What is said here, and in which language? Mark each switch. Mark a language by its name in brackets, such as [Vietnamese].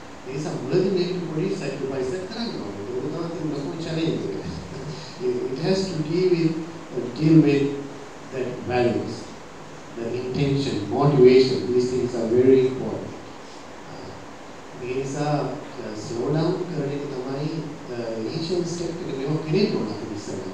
[Sinhala] ඒ සම්බුද්ධ මේක පොඩි සැක්‍රිෆයිස් එකක් කරනවා. ඒක තමයි ලොකු චැලෙන්ජ් එක. [English] It has to deal with that values, the intention, motivation. These things are very important. [Sinhala] ඒ නිසා slow down කරන එක තමයි initial step එක මෙව කෙරෙන්න ඕන අපි ඉස්සරහ.